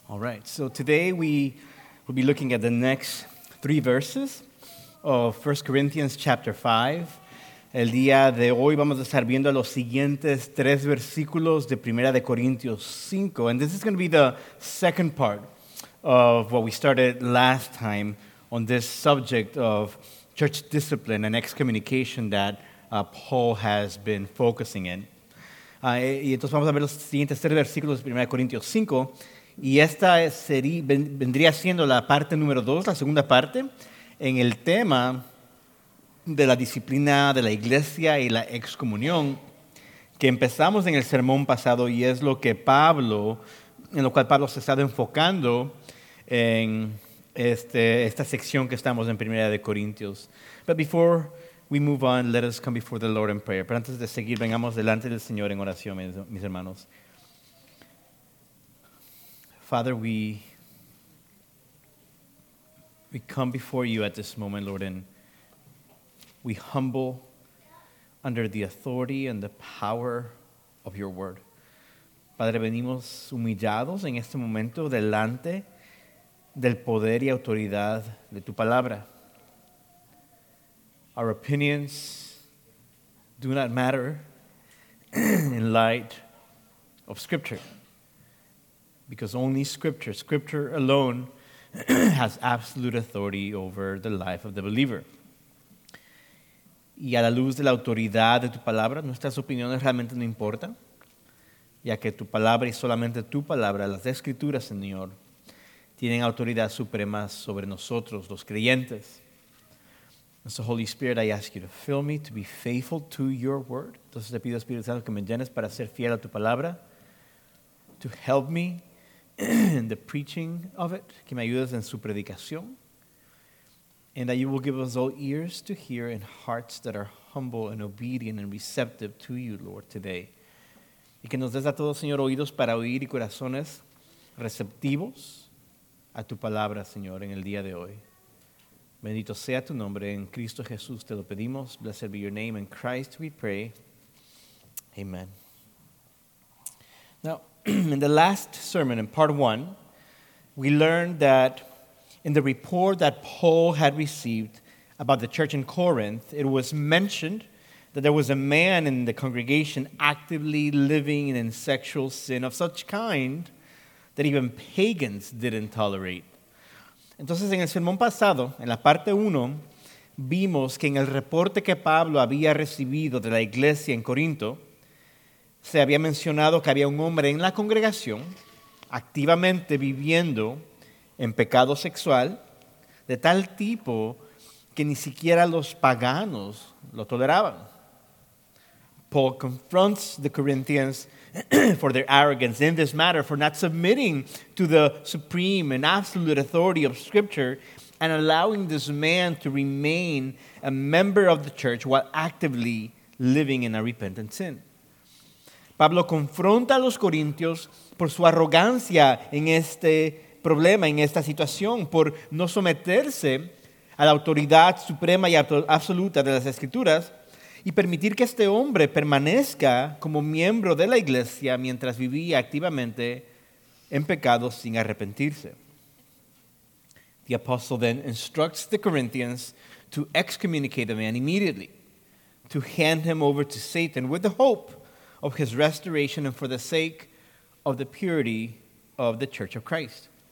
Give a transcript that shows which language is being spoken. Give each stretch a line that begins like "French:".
English: All right, so today we will be looking at the next three verses of 1 Corinthians chapter 5.
Spanish: El día de hoy vamos a estar viendo los siguientes tres versículos de 1 de Corintios 5.
English: And this is going to be the second part of what we started last time on this subject of church discipline and excommunication that Paul has been focusing in.
Spanish: Y entonces vamos a ver los siguientes tres versículos de 1 Corintios 5. Y esta sería, vendría siendo la parte número dos, la segunda parte, en el tema de la disciplina de la iglesia y la excomunión que empezamos en el sermón pasado y es lo que Pablo, en lo cual Pablo se ha estado enfocando en esta sección que estamos en Primera de Corintios.
English: But before we move on, let us come before the Lord in prayer.
Spanish: Pero antes de seguir, vengamos delante del Señor en oración, mis hermanos.
English: Father, we come before you at this moment, Lord, and we humble under the authority and the power of your word.
Spanish: Padre, venimos humillados en este momento delante del poder y autoridad de tu palabra.
English: Our opinions do not matter in light of Scripture, because only Scripture alone has absolute authority over the life of the believer.
Spanish: Y a la luz de la autoridad de tu palabra, nuestras opiniones realmente no importan, ya que tu palabra y solamente tu palabra, las Escrituras, Señor, tienen autoridad suprema sobre nosotros, los creyentes.
English: And so, Holy Spirit, I ask you to fill me, to be faithful to your word.
Spanish: Entonces, te pido, Espíritu Santo, que me llenes para ser fiel a tu palabra,
English: to help me in the preaching of it,
Spanish: que me ayudes en su predicación,
English: and that you will give us all ears to hear and hearts that are humble and obedient and receptive to you, Lord, today.
Spanish: Y que nos des a todos, Señor, oídos para oír y corazones receptivos a tu palabra, Señor, en el día de hoy. Bendito sea tu nombre, en Cristo Jesús te lo pedimos.
English: Blessed be your name, in Christ we pray. Amen. Now, in the last sermon, in part one, we learned that in the report that Paul had received about the church in Corinth, it was mentioned that there was a man in the congregation actively living in sexual sin of such kind that even pagans didn't tolerate.
Spanish: Entonces, en el sermón pasado, en la parte 1, vimos que en el reporte que Pablo había recibido de la iglesia en Corinto, se había mencionado que había un hombre en la congregación activamente viviendo en pecado sexual de tal tipo que ni siquiera los paganos lo toleraban.
English: Paul confronts the Corinthians for their arrogance in this matter, for not submitting to the supreme and absolute authority of Scripture and allowing this man to remain a member of the church while actively living in a repentant sin.
Spanish: Pablo confronta a los corintios por su arrogancia en este problema, en esta situación, por no someterse a la autoridad suprema y absoluta de las Escrituras y permitir que este hombre permanezca como miembro de la iglesia mientras vivía activamente en pecado sin arrepentirse.
English: The apostle then instructs the Corinthians to excommunicate the man immediately, to hand him over to Satan with the hope of his restoration and for the sake of the purity of the Church of Christ.